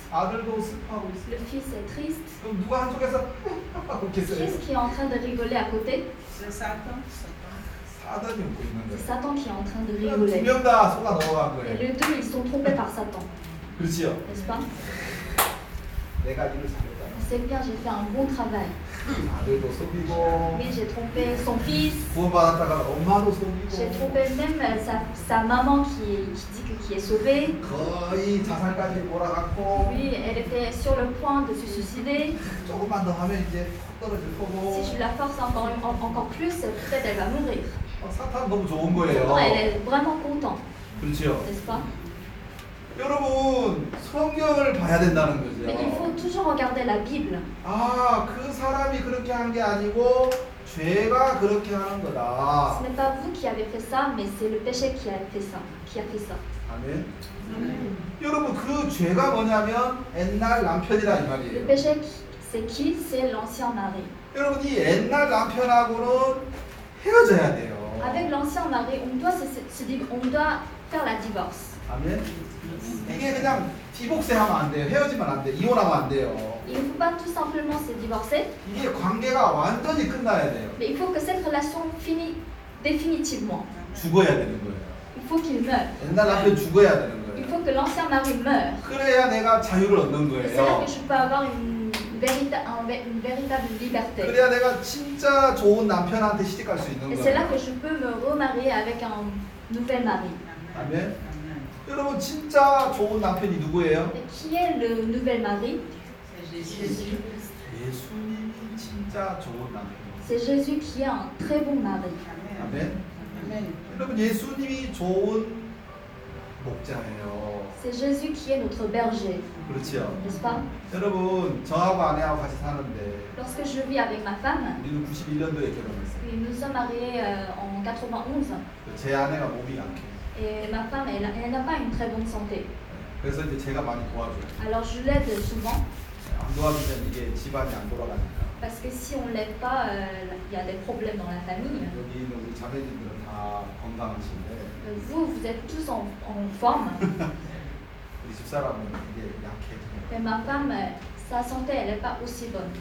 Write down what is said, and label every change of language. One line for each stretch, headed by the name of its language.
Korean: 아들도 슬퍼하고 있어요.
French: Le fils est triste.
Korean: 그럼 누가 한쪽에서 웃겠어요?
French: Qui est-ce qui est en train de rigoler à côté?
Korean: Satan.
French: Satan qui est en train de rigoler.
Korean: 두 명 다 속아 넘어간 거예요.
French: Les deux, ils sont trompés par Satan.
Korean: 그렇죠.
French: N'est-ce pas?
Korean: 내가 일을 잘했다.
French: C'est bien, j'ai fait un bon travail.
Korean: 아들도 속이고.
French: Oui, j'ai trompé son fils.
Korean: 구원받았다가 엄마도 속이고.
French: J'ai trompé même sa maman qui dit qu'il est sauvé.
Korean: 거의 자살까지 몰아갔고.
French: Oui, elle était sur le point de se suicider.
Korean: 조금만 더 하면 이제 확 떨어질 거고.
French: Si je la force encore plus, peut-être elle va mourir.
Korean: 사탄 너무 좋은 거예요.
French: Satan, elle est vraiment content.
Korean: 그렇죠.
French: N'est-ce pas?
Korean: 여러분, 성경을 봐야 된다는 거죠.
French: Mais il faut toujours regarder la Bible.
Korean: 아, 그 사람이 그렇게 한 게 아니고 죄가 그렇게 하는 거다.
French: Ce n'est pas vous qui avez fait ça, mais c'est le péché qui a fait ça.
Korean: 아멘. 아멘. 여러분, 그 죄가 뭐냐면 옛날 남편이라 이 말이에요.
French: Le péché c'est qui? C'est l'ancien mari.
Korean: 여러분, 이 옛날 남편하고는 헤어져야 돼요.
French: Avec l'ancien mari, on doit faire la divorce.
Korean: 아멘. 이게 그냥 디복세 하면 안 돼요. 헤어지면 안 돼요. 이혼하면 안 돼요.
French: Il faut pas tout simplement se divorcer.
Korean: 이게 관계가 완전히 끝나야 돼요.
French: Mais il faut que cette relation finit définitivement.
Korean: 죽어야 되는 거예요.
French: Il faut qu'il meure.
Korean: 옛날 남편 죽어야 되는 거예요.
French: Il faut que l'ancien mari meure.
Korean: 그래야 내가 자유를 얻는 거예요.
French: C'est là que je peux avoir une véritable liberté.
Korean: 그래야 내가 진짜 좋은 남편한테 시집갈 수 있는 거예요.
French: C'est là que je peux me remarier avec un nouvel mari.
Korean: 아멘. 여러분 진짜 좋은 남편이 누구예요?
French: Qui est le nouvel mari? C'est Jésus.
Korean: 예수님이 진짜 좋은 남편.
French: C'est Jésus qui est un très bon mari.
Korean: 아멘. 아멘. 여러분 예수님이 좋은 목자예요.
French: C'est Jésus qui est notre berger.
Korean: 그렇죠.
French: N'est-ce pas?
Korean: 여러분 저하고 아내하고 같이 사는데.
French: Lorsque je vis avec ma femme.
Korean: 우리는 91년도에 결혼했어요.
French: Et nous sommes mariés en 91.
Korean: 제 아내가 몸이 약해.
French: Et ma femme, elle n'a pas une très bonne santé.
Korean: 그래서 이제 제가 많이 도와줘요.
French: Alors je l'aide souvent.
Korean: 안 도와주면 이게 집안이 안 돌아가니까.
French: Parce que si on l'aide pas, il y a des problèmes dans la famille.
Korean: 여기 있는 우리 자매님들은 다 건강하신데.
French: Vous êtes tous en forme.
Korean: 우리 집사람은 이게 약해.
French: Mais ma femme, sa santé, elle n'est pas aussi bonne.